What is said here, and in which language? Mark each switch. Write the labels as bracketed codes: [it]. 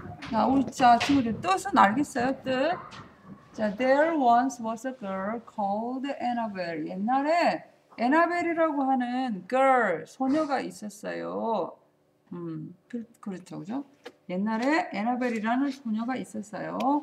[ko] 자, 우리 자, 친구들 뜻은 알겠어요, 뜻? [en] 자, there once was a girl called Annabelle. [ko] 옛날에 애나벨이라고 하는 girl, 소녀가 있었어요. 그렇죠, 그죠? 옛날에 애나벨이라는 소녀가 있었어요.